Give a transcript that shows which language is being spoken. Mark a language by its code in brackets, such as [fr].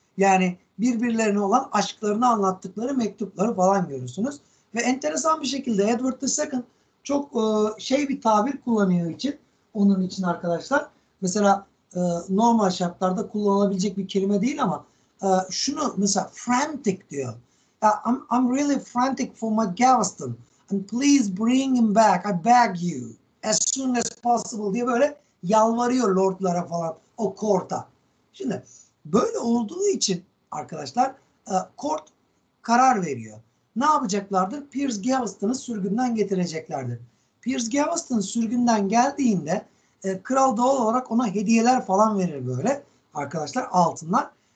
[tr] Yani birbirlerine olan aşklarını anlattıkları mektupları falan görürsünüz. Ve enteresan bir şekilde Edward II çok şey bir tabir kullanıyor için onun için arkadaşlar. Mesela normal şartlarda kullanılabilecek bir kelime değil ama şunu mesela frantic diyor. [en] I'm really frantic for my Gaveston. And please bring him back. I beg you. As soon as possible [tr] diye böyle yalvarıyor lordlara falan. O court'a. Şimdi böyle olduğu için arkadaşlar court karar veriyor. Ne yapacaklardır? Piers Gaveston'ı sürgünden getireceklerdir. Piers Gaveston sürgünden geldiğinde kral doğal olarak ona hediyeler falan verir böyle arkadaşlar altınlar.